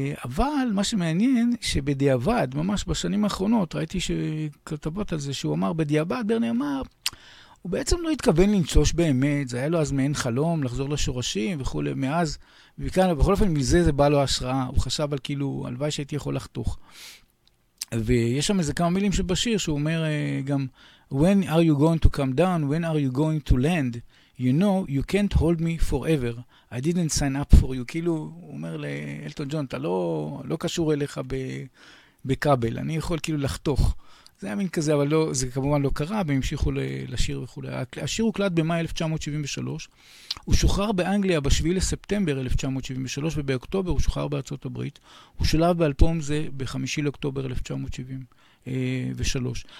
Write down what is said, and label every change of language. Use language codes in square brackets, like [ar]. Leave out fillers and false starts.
[he] אבל מה שמעניין, שבדיעבד, ממש בשנים האחרונות, ראיתי שכתבות על זה, שהוא אמר בדיעבד, ברני אמר, הוא בעצם לא התכוון לנצוש באמת, זה היה לו אז מעין חלום לחזור לשורשים וכו'. מאז, וכאן, בכל אופן מזה זה בא לו השראה, הוא חשב על כאילו, הלוואי שהייתי יכול לחתוך. ויש שם איזה כמה מילים שבשיר, שהוא אומר גם, [en] When are you going to come down? When are you going to land? You know, you can't hold me forever. I didn't sign up for you. [he] כאילו, הוא אומר לאלטון ג'ון, אתה לא קשור אליך בקבל, אני יכול כאילו לחתוך. זה היה מין כזה, אבל לא, זה כמובן לא קרה, והמשיכו לשיר וכו'. השיר הוקלט במאי 1973, הוא שוחרר באנגליה בשביעי לספטמבר 1973, ובאוקטובר הוא שוחרר בארצות הברית, הוא שולב באלפום זה בחמישי לאוקטובר 1973.